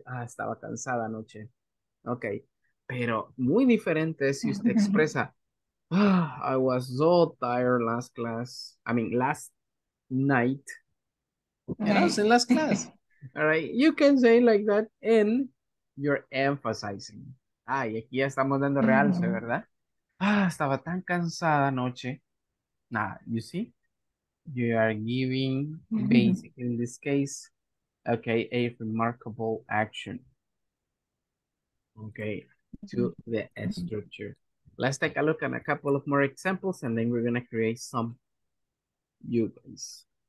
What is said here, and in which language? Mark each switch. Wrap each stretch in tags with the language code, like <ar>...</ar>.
<es>Ah, estaba cansada anoche. Okay, pero muy diferente si usted expresa,</es> <en>I was so tired last class. I mean, last night. And I was in last class. All right, you can say like that and you're emphasizing.</en> <es>Ah, y aquí ya estamos dando realce, ¿verdad? Ah, estaba tan cansada anoche. Nah,</es> <en>you see? You are giving, basically, in this case, okay, a remarkable action. Okay, to the structure. Let's take a look at a couple of more examples and then we're going to create some new ones.</en>